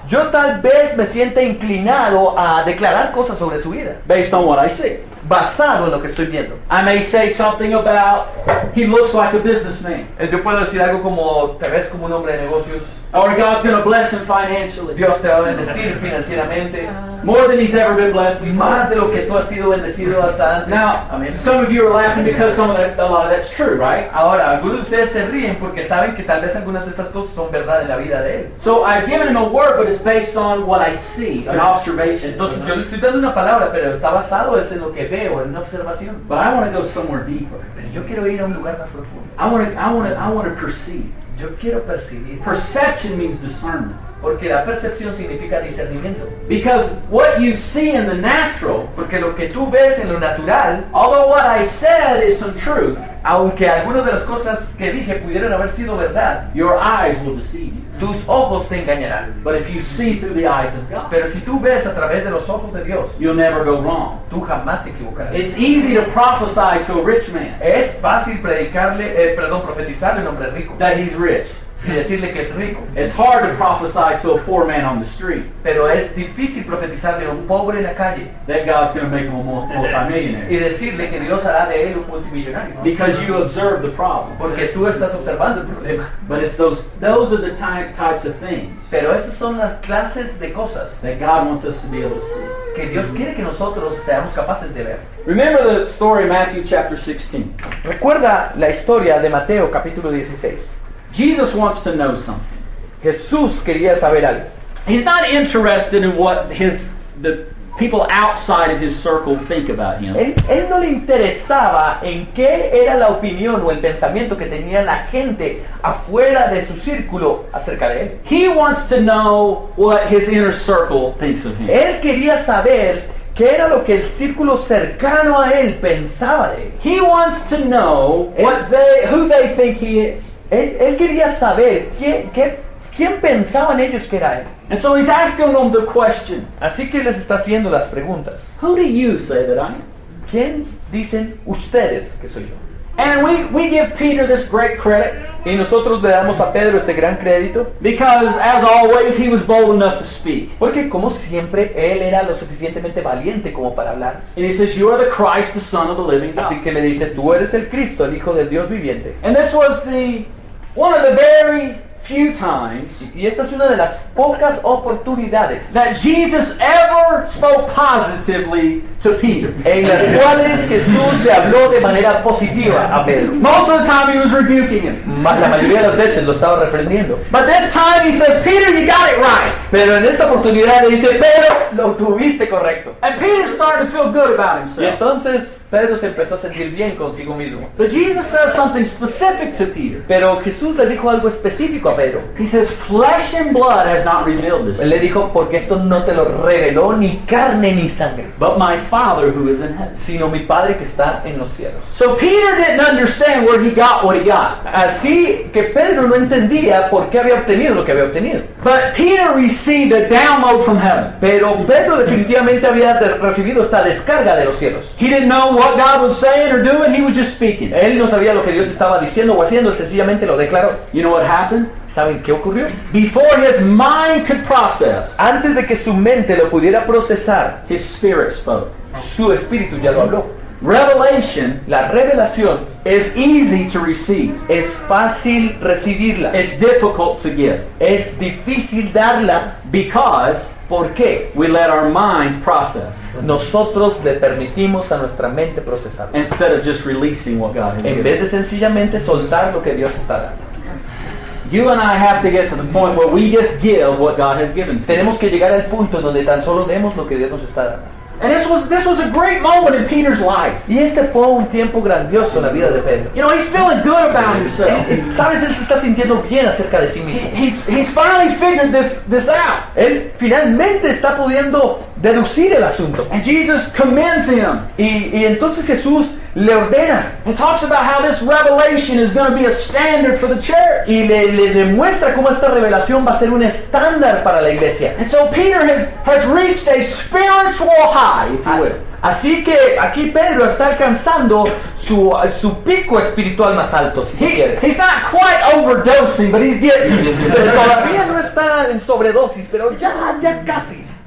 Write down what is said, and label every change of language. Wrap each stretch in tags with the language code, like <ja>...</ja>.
<es>Yo tal vez me sienta inclinado a declarar cosas sobre su vida.</es> <en>Based on what I see.</en> <es>Basado en lo que estoy viendo.</es> <en>I may say something about he looks like a businessman.</en> <es>Yo puedo decir algo como te ves como un hombre de negocios.</es> <en>Or God's going to bless him financially.</en> <es>Dios te va a bendecir financieramente.</es> <en>More than he's ever been blessed.</en> <es>Más de lo que tú has sido bendecido hasta antes.</es> <en>Now, I mean, some of you are laughing because some of that, a lot of that's true, right?</en> <es>Ahora, algunos de ustedes se ríen porque saben que tal vez algunas de estas cosas son verdad en la vida de él.</es> <en>So I've given him a word, but it's based on what I see, an observation.</en> <es>Entonces, yo le estoy dando una palabra, pero está basado en lo que veo, en una observación.</es> <en>But I want to go somewhere deeper.</en> <es>Yo quiero ir a un lugar más profundo.</es> <en>I want to perceive.</en> <es>Yo quiero percibir.</es> <en>Perception means discernment.</en> <es>Porque la percepción significa discernimiento.</es> <en>Because what you see in the natural,</en> <es>porque lo que tú ves en lo natural,</es> <en>although what I said is some truth,</en> <es>aunque algunas de las cosas que dije pudieran haber sido verdad,</es> <en>your eyes will deceive you.</en> <es>Tus ojos te engañarán.</es> <en>But if you see through the eyes of God,</en> <es>pero si tú ves a través de los ojos de Dios,</es> <en>you'll never go wrong.</en> <es>Tú jamás te equivocarás.</es> <en>It's easy to prophesy to a rich man.</en> <es>Es fácil predicarle, profetizarle a un hombre rico.</es> <en>That he's rich.</en> <es>Y decirle que es rico.</es> <en>It's hard to prophesy to a poor man on the street.</en> <es>Pero es difícil profetizarle a un pobre en la calle.</es> <en>That God's going to make him a multimillionaire.</en> <es>Y decirle que Dios hará de él un multimillonario.</es> <en>Because you observe the problem.</en> <es>Porque tú estás observando el problema.</es> <en>But it's those are the types of things.</en> <es>Pero esas son las clases de cosas.</es> <en>That God wants us to be able to see.</en> <es>Que Dios quiere que nosotros seamos capaces de ver.</es> <en>Remember the story of Matthew chapter 16.</en> <es>Recuerda la historia de Mateo capítulo 16.</es> <en>Jesus wants to know something.</en> <es>Jesús quería saber algo.</es> <en>He's not interested in what the people outside of his circle think about him.</en> <es>Él no le interesaba en qué era la opinión o el pensamiento que tenía la gente afuera de su círculo acerca de él.</es> <en>He wants to know what his inner circle thinks of him.</en> <es>Él quería saber qué era lo que el círculo cercano a él pensaba de él.</es> <en>He wants to know who they think he is.</en> <es>Él quería saber quién pensaban ellos que era él.</es> <en>And so he's asking them the question.</en> <es>Así que les está haciendo las preguntas.</es> <en>Who do you say that I am?</en> <es>¿Quién dicen ustedes que soy yo?</es> <en>And we give Peter this great credit.</en> <es>Y nosotros le damos a Pedro este gran crédito.</es> <en>Because as always he was bold enough to speak.</en> <es>Porque como siempre él era lo suficientemente valiente como para hablar.</es> <en>And he says you are the Christ, the Son of the Living God.</en> <es>Así que le dice tú eres el Cristo, el Hijo del Dios viviente.</es> <en>And this was one of the very few times.</en> <es>Y esta es una de las pocas oportunidades</es> <en>that Jesus ever spoke positively to Peter.</en> <es>En las cuales Jesús le habló de manera positiva a Pedro.</es> <en>Most of the time he was rebuking him.</en> <es>La mayoría de las veces lo estaba reprendiendo.</es> <en>But this time he says, Peter, you got it right.</en> <es>Pero en esta oportunidad le dice, Pedro, lo tuviste correcto.</es> <en>And Peter started to feel good about himself.</en> <es>Y entonces Pedro se empezó a sentir bien consigo mismo.</es> <en>But Jesus says something specific to Peter.</en> <es>Pero Jesús le dijo algo específico a Pedro.</es> <en>He says, flesh and blood has not revealed this.</en> <es>Él le dijo, porque esto no te lo reveló ni carne ni sangre.</es> <en>But my Father who is in heaven.</en> <es>Sino mi Padre que está en los cielos.</es> <en>So Peter didn't understand where he got what he got.</en> <es>Así que Pedro no entendía por qué había obtenido lo que había obtenido.</es> <en>But Peter received a download from heaven.</en> <es>Pero Pedro definitivamente había recibido esta descarga de los cielos.</es> <en>He didn't know what God was saying or doing, he was just speaking.</en> <es>Él no sabía lo que Dios estaba diciendo o haciendo, él sencillamente lo declaró.</es> <en>You know what happened?</en> <es>¿Saben qué ocurrió?</es> <en>Before his mind could process,</en> <es>antes de que su mente lo pudiera procesar,</es> <en>his spirit spoke.</en> <es>Su espíritu ya lo habló.</es> <en>Revelation,</en> <es>la revelación,</es> <en>is easy to receive.</en> <es>Es fácil recibirla.</es> <en>It's difficult to give.</en> <es>Es difícil darla</es> <en>because,</en> <es>¿por qué?</es> <en>We let our mind process.</en> <es>Nosotros le permitimos a nuestra mente procesar.</es> <en>Instead of just releasing what God has given.</en> <es>En vez de sencillamente soltar lo que Dios está dando.</es> <en>You and I have to get to the point where we just give what God has given.</en> <es>Tenemos que llegar al punto en donde tan solo demos lo que Dios nos está dando.</es> <en>And this was a great moment in Peter's life.</en> <es>Y este fue un tiempo grandioso en la vida de Pedro.</es> <en>You know, he's feeling good about himself.</en> <es>¿Sabes? Él se está sintiendo bien acerca de sí mismo.</es> <en>He's finally figured this out.</en> <es>Él finalmente está pudiendo deducir el asunto.</es> <en>And Jesus commends him.</en> <es>Y entonces Jesús le ordena.</es> <en>And talks about how this revelation is going to be a standard for the church.</en> <es>Y le demuestra cómo esta revelación va a ser un estándar para la iglesia.</es> <en>And so Peter has reached a spiritual high, if you will.</en> <es>Así que aquí Pedro está alcanzando su pico espiritual más alto, si quieres.</es> <en>He's not quite overdosing, but he's getting.</en> <es>Todavía no está en sobredosis, pero ya casi.</es>